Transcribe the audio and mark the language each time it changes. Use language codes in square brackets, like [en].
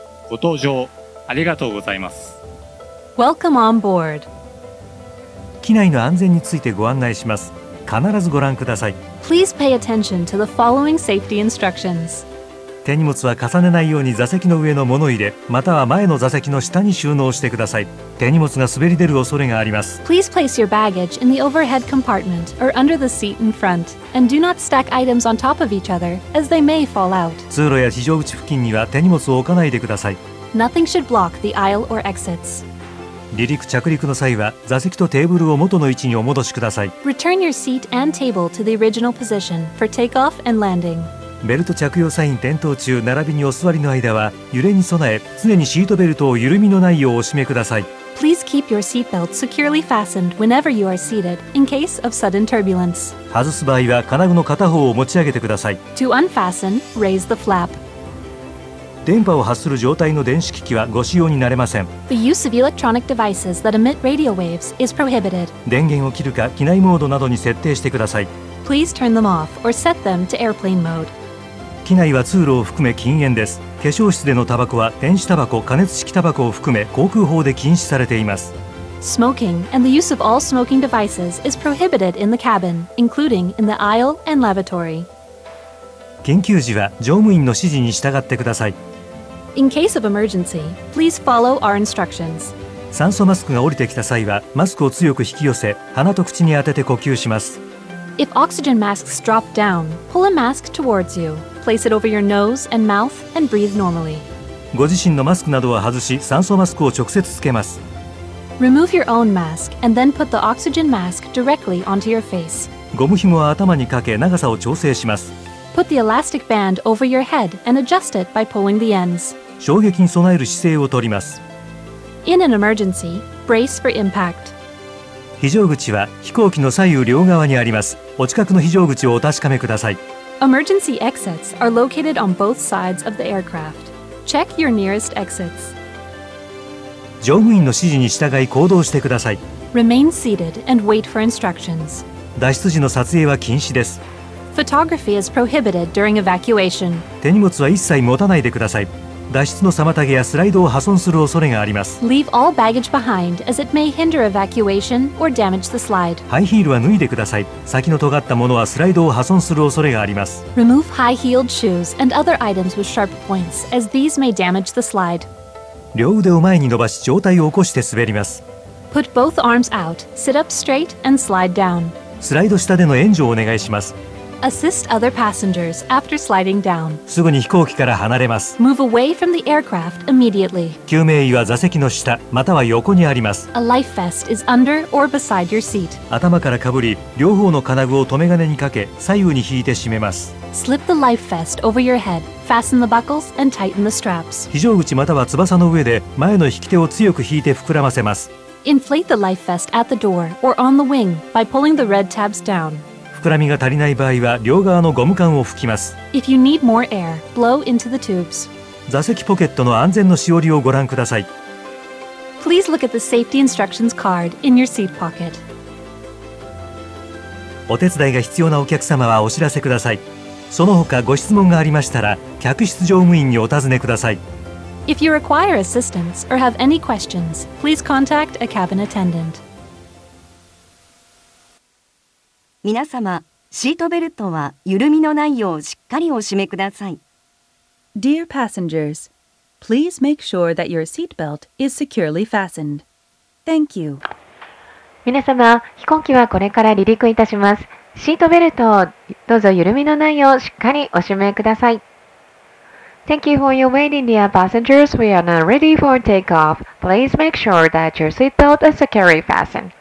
[ja] ご搭乗ありがとうございます。 [en] Welcome on board. [ja] 機内の安全についてご案内します。必ずご覧ください。 [en] Please pay attention to the following safety instructions. [ja] 手荷物は重ねないように座席の上の物入れ、または前の座席の下に収納してください。手荷物が滑り出る恐れがあります。 [en] Please place your baggage in the overhead compartment or under the seat in front, and do not stack items on top of each other, as they may fall out. [ja] 通路や非常口付近には手荷物を置かないでください。 [en] Nothing should block the aisle or exits. [ja] 離陸着陸の際は座席とテーブルを元の位置にお戻しください。 [en] Return your seat and table to the original position for takeoff and landing. [ja] ベルト着用サイン点灯中並びにお座りの間は揺れに備え常にシートベルトを緩みのないようお締めください。 [en] Please keep your seatbelt securely fastened whenever you are seated in case of sudden turbulence. [ja] 外す場合は金具の片方を持ち上げてください。 [en] To unfasten, raise the flap. [ja] 電波を発する状態の電子機器はご使用になれません。 [en] The use of electronic devices that emit radio waves is prohibited. [ja] 電源を切るか機内モードなどに設定してください。 [en] Please turn them off or set them to airplane mode. [ja] 機内は通路を含め禁煙です。化粧室でのタバコは電子タバコ、加熱式タバコを含め航空法で禁止されています。 [en] Smoking and the use of all smoking devices is prohibited in the cabin, including in the aisle and lavatory. [ja] 緊急時は乗務員の指示に従ってください。 [en] In case of emergency, please follow our instructions. [ja] 酸素マスクが降りてきた際はマスクを強く引き寄せ、鼻と口に当てて呼吸します。 [en] If oxygen masks drop down, pull a mask towards you. Place it over your nose and mouth and breathe normally. [ja] ご自身のマスクなどは外し、酸素マスクを直接つけます。 [en] Remove your own mask and then put the oxygen mask directly onto your face. [ja] ゴム紐は頭にかけ、長さを調整します。 [en] Put the elastic band over your head and adjust it by pulling the ends. [ja] 衝撃に備える姿勢をとります。 [en] In an emergency, brace for impact. [ja] 非常口は飛行機の左右両側にあります。お近くの非常口をお確かめください。 [en] Emergency exits are located on both sides of the aircraft. Check your nearest exits. [ja] 乗務員の指示に従い行動してください。 [en] Remain seated and wait for instructions. [ja] 脱出時の撮影は禁止です。 [en] Photography is prohibited during evacuation. [ja] 手荷物は一切持たないでください。脱出の妨げやスライドを破損する恐れがあります。 [en] Leave all baggage behind as it may hinder evacuation or damage the slide. [ja] ハイヒールは脱いでください。先の尖ったものはスライドを破損する恐れがあります。 [en] Remove high-heeled shoes and other items with sharp points as these may damage the slide. [ja] 両腕を前に伸ばし上体を起こして滑ります。 [en] Put both arms out, sit up straight and slide down. [ja] スライド下での援助をお願いします。 [en] Assist other passengers after sliding down. [ja] すぐに飛行機から離れます。 [en] Move away from the aircraft immediately. [ja] 救命衣は座席の下または横にあります。 [en] A life vest is under or beside your seat. [ja] 頭からかぶり、両方の金具を留め金にかけ、左右に引いて締めます。 [en] Slip the life vest over your head, fasten the buckles and tighten the straps. [ja] 非常口または翼の上で前の引き手を強く引いて膨らませます。 [en] Inflate the life vest at the door or on the wing by pulling the red tabs down. [ja] 膨らみが足りない場合は両側のゴム管を吹きます。 [en] If you need more air, blow into the tubes. [ja] 座席ポケットの安全のしおりをご覧ください。 [en] please look at the safety instructions card in your seat pocket. [ja] お手伝いが必要なお客様はお知らせください。その他ご質問がありましたら、客室乗務員にお尋ねください。 [en] If you require assistance or have any questions, please contact a cabin attendant. [ja] 皆様、シートベルトは緩みのないようしっかりお締めください。 [en] Dear passengers, please make sure that your seatbelt is securely fastened. Thank you. [ja] 皆様、飛行機はこれから離陸いたします。シートベルトをどうぞ緩みのないようしっかりお締めください。 [en] Thank you for your waiting, dear passengers. We are now ready for takeoff. Please make sure that your seatbelt is securely fastened.